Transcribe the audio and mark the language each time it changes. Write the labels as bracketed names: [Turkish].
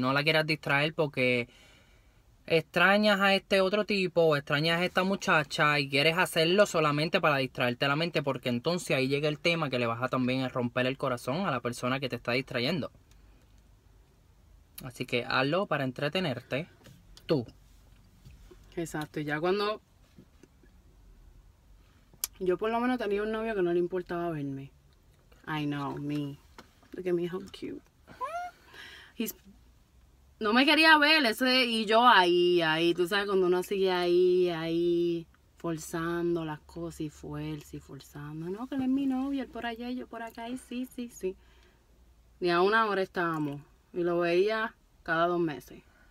[Spanish] No la quieras distraer porque extrañas a este otro tipo, o extrañas a esta muchacha, y quieres hacerlo solamente para distraerte la mente, porque entonces ahí llega el tema que le vas a también romper el corazón a la persona que te está distrayendo. Así que hazlo para entretenerte tú. Exacto. Y ya cuando yo por lo menos tenía un novio que no le importaba verme. [English] I know, me. Look at me, how cute. He's [Spanish] No me quería ver ese, y yo ahí, tú sabes, cuando uno sigue ahí, forzando las cosas y fuerza y forzando. No, que él es mi novio, él por allá y yo por acá, y sí. Ni a una hora estábamos, y lo veía cada 2 meses.